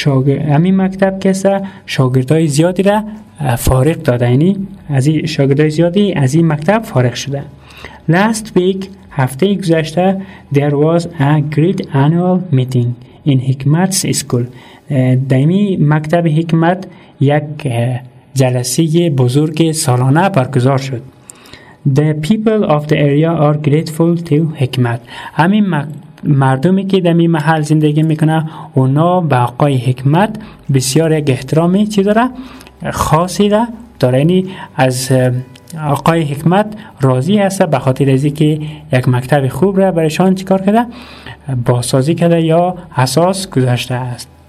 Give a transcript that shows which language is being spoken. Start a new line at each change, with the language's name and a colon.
Persian: همین مکتب کسه شاگردای زیادی را فارغ داده, یعنی از این شاگردای زیادی از این مکتب فارغ شده.
English: Last week
Persian: هفته گذشته
English: there was a great annual meeting in Hikmat's school.
Persian: در این مکتب حکمت یک جلسه بزرگ سالانه برگزار شد.
English: The people of the area are grateful to حکمت.
Persian: همین مردمی که در این محل زندگی میکنه اونا به آقای حکمت بسیار یک احترامی چی داره؟ خاصی داره، یعنی از آقای حکمت راضی هست به خاطر از اینکه یک مکتب خوب را برایشان چیکار کرده، بازسازی کرده یا اساس گذاشته است.